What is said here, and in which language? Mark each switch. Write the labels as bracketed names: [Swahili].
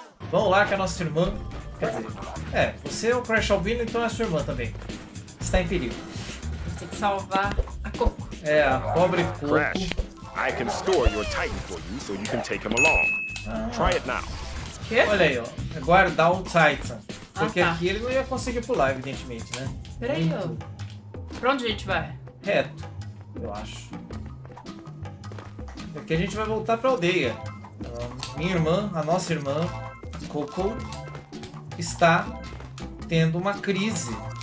[Portuguese] Vamos lá, que é a nossa irmã. Quer dizer, é, você é o Crash Albino, então é a sua irmã também. Está em perigo. Tem que salvar a Coco. É, a pobre Coco. [English] Crash, I can store your Titan for you so you can take him along. Try it now. [Portuguese] Quê? Olha aí, ó. Guardar o Titan. Porque aqui ele não ia conseguir pular, evidentemente, né? Peraí, ó. Pra onde a gente vai? Reto, eu acho. Aqui a gente vai voltar pra aldeia. Minha irmã, a nossa irmã, Coco, está tendo uma crise.